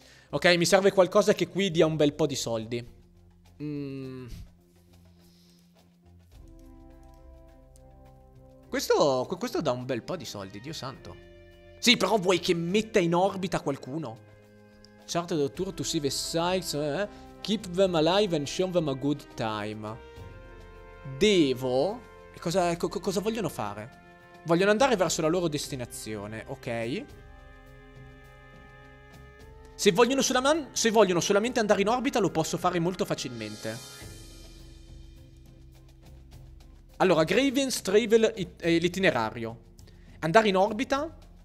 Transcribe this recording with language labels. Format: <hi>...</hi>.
<it>Ok, mi serve qualcosa che qui dia un bel po' di soldi. Questo dà un bel po' di soldi, Dio santo. Sì, però vuoi che metta in orbita qualcuno?</it> <en>Chartered tour to see the sights. Keep them alive and show them a good time.</en> <it>Devo. Cosa vogliono fare? Vogliono andare verso la loro destinazione, ok? Se vogliono solamente andare in orbita, lo posso fare molto facilmente. Allora, Graveyard Travel l'itinerario. Andare in orbita.</it>